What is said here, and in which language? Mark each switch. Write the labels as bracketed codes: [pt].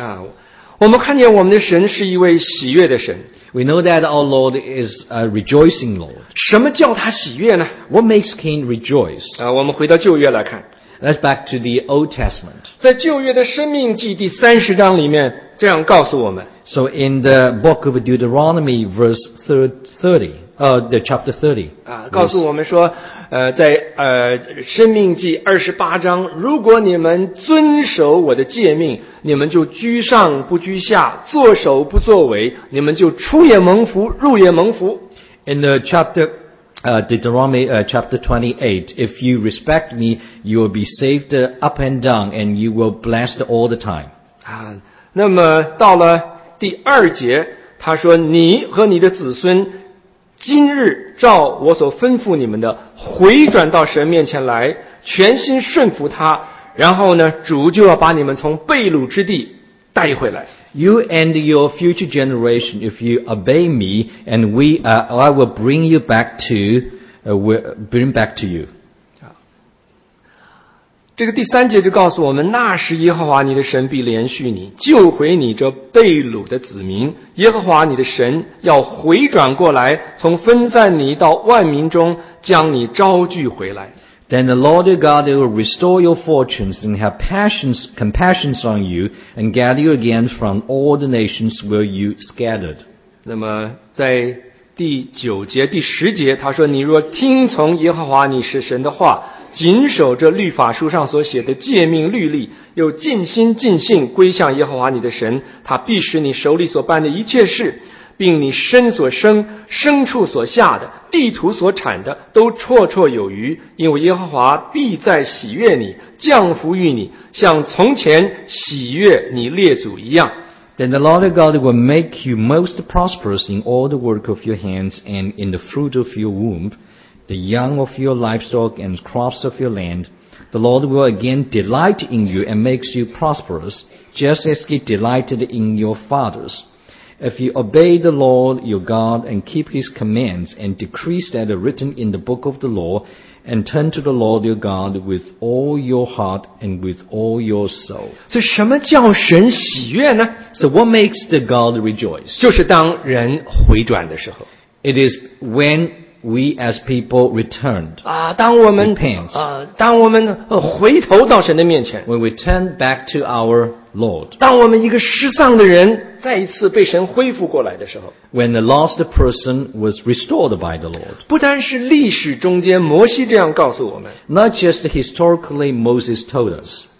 [zh] 啊，我们看见我们的神是一位喜悦的神。 [en] We know that our Lord is a rejoicing Lord. [zh] 什么叫他喜悦呢？ [en] What makes King rejoice? [zh] 啊，我们回到旧约来看。 [en] Let's back to the Old Testament. [zh] 在旧约的申命记第三十章里面这样告诉我们。 [en] So in the book of Deuteronomy, verse 30, the chapter 30. [zh] 告诉我们说在申命记二十八章如果你们遵守我的诫命你们就居上不居下作首不作尾你们就出也蒙福入也蒙福。 [en] In the chapter, Deuteronomy, chapter 28, if you respect me, you will be saved up and down and you will blessed all the time. [zh] 那么到了第二节他说你和你的子孙今日照我所吩咐你们的回转到神面前来全心顺服他然后呢主就要把你们从被掳之地带回来。 [en] You and your future generation, if you obey me, and we, I will bring you back to, bring back to you. [zh] 这个第三节就告诉我们，那时耶和华你的神必连续你，救回你这被掳的子民。耶和华你的神要回转过来，从分散你到万民中，将你招聚回来。 [en] Then the Lord your God will restore your fortunes and have passions, compassions on you and gather you again from all the nations where you scattered. [zh] 那么在第九节第十节他说你若听从耶和华你是神的话谨守这律法书上所写的诫命律例又尽心尽性归向耶和华你的神他必使你手里所办的一切事并你身所生牲畜所下的地土所产的都绰绰有余因为耶和华必在喜悦你降福于你像从前喜悦你列祖一样。 [en] Then the Lord God will make you most prosperous in all the work of your hands and in the fruit of your womb, the young of your livestock and crops of your land. The Lord will again delight in you and makes you prosperous, just as he delighted in your fathers. If you obey the Lord your God and keep his commands and decrees that are written in the book of the law and turn to the Lord your God with all your heart and with all your soul. [zh] 所以什么叫神喜悦呢? [en] So what makes the God rejoice? [zh] 就是当人回转的时候。 [en] It is when we as people returned. [zh] 当我们, [en] repent. [zh] 当我们回头到神的面前。 [en] When we turn back to our Lord. [zh] 当我们一个失丧的人再一次被神恢复过来的时候 [en] When the lost person was restored by the Lord [zh] 不单是历史中间摩西这样告诉我们 [en] Not just historically Moses told us